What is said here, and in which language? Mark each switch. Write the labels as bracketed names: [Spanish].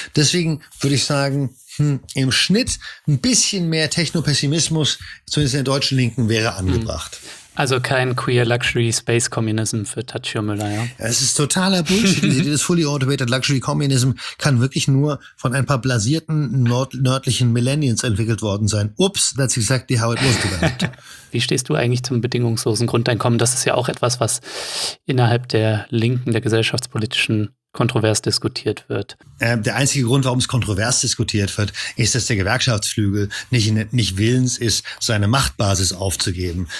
[German] Deswegen würde ich sagen, im Schnitt ein bisschen mehr Technopessimismus, zumindest in der deutschen Linken, wäre angebracht. Mhm. Also kein Queer Luxury Space Communism für Tachio Müller, ja. Es ist totaler Bullshit. Dieses Fully Automated Luxury Communism kann wirklich nur von ein paar blasierten nördlichen Millennials entwickelt worden sein. [English] Ups, that's exactly how it was developed. [German] Wie stehst du eigentlich zum bedingungslosen Grundeinkommen? Das ist ja auch etwas, was innerhalb der Linken, der gesellschaftspolitischen, kontrovers diskutiert wird. Der einzige Grund, warum es kontrovers diskutiert wird, ist, dass der Gewerkschaftsflügel nicht willens ist, seine Machtbasis aufzugeben.